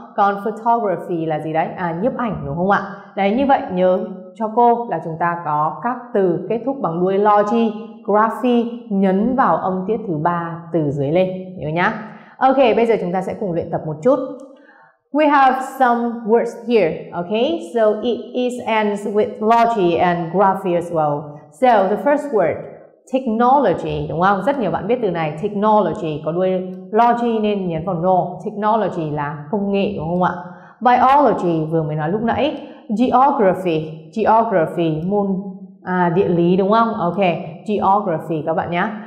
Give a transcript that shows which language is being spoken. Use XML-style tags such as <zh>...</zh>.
<vi>Còn photography là gì đấy? À, nhiếp ảnh, đúng không ạ? Đấy, như vậy nhớ cho cô là chúng ta có các từ kết thúc bằng đuôi logy, graphy nhấn vào âm tiết thứ ba từ dưới lên, hiểu nhá? Ok, bây giờ chúng ta sẽ cùng luyện tập một chút.</vi> <en>We have some words here, okay? So it is ends with logy and graphy as well. So the first word, technology,</en> <vi>đúng không? Rất nhiều bạn biết từ này, technology có đuôi logy nên nhấn vào no. Technology là công nghệ, đúng không ạ? Biology vừa mới nói lúc nãy. Geography môn địa lý, đúng không? Ok, geography các bạn nhé.</vi>